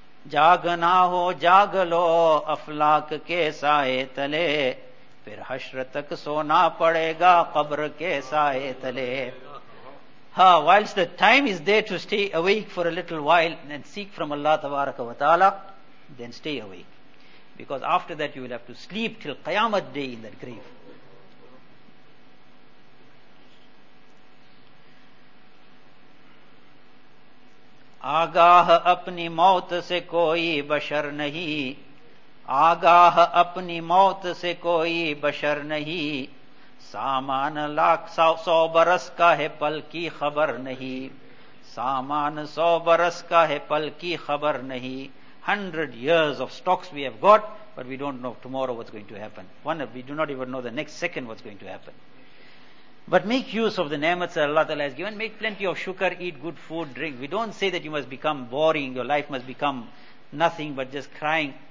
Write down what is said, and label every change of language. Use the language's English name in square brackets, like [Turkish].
[Urdu] جاگنا ہو جاگ لو افلاک کے سائے تلے پھر حشر تک سونا پڑے گا قبر کے سائے تلے. [English] Whilst the time is there to stay awake for a little while and seek from Allah tabaraka wa ta'ala, then stay awake. Because after that you will have to sleep till Qiyamah day in that grave. [Urdu] آگاہ اپنی موت سے کوئی بشر نہیں, آگاہ اپنی موت سے کوئی بشر نہیں, سامان لاکھ سو برس کا ہے پل کی خبر نہیں, سامان سو برس کا ہے پل کی خبر نہیں. [English] 100 years of stocks we have got, but we don't know tomorrow what's going to happen. We do not even know the next second what's going to happen. But make use of the ni'mats that Allah Ta'ala has given. Make plenty of shukr, eat good food, drink. We don't say that you must become boring, your life must become nothing but just crying.